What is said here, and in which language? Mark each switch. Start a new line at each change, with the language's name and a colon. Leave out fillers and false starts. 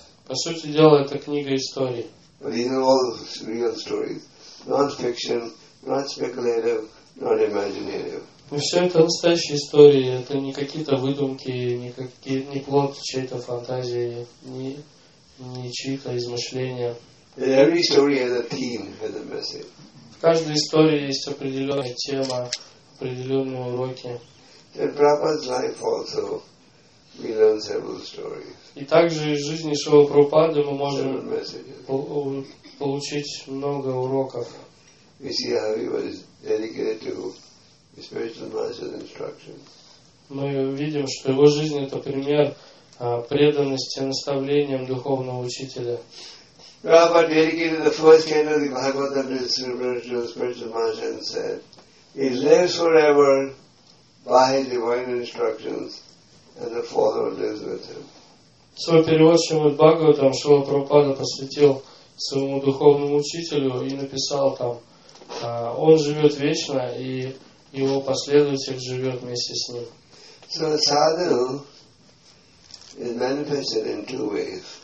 Russian: По сути дела, это книга историй.
English: But these are all real stories. Not fiction, not speculative, not imaginative.
Russian: Но все это настоящие истории. Это не какие-то выдумки, не плод чьей-то фантазии, не чьи-то измышления.
English: And every story has a theme, has a message.
Russian: В каждой истории есть определенная тема, определенные уроки.
English: In Prabhupada's life also, we learn several stories.
Russian: И также из жизни Шрилы Прабхупады мы можем получить много уроков.
English: We see how he was dedicated to spiritual master's instructions.
Russian: Мы видим, что его жизнь это пример преданности наставлениям духовного учителя.
English: Prabhupada dedicated the first canto of the Bhagavatam to spiritual master and said, "He lives forever by his divine instructions, and the Father lives with him."
Russian: свой перевод Шримад Бхагаватам Шрила Прабхупада посвятил своему духовному учителю и написал там, он живет вечно, и его последователь живет вместе с ним.
English: So sadhana is manifested in two ways.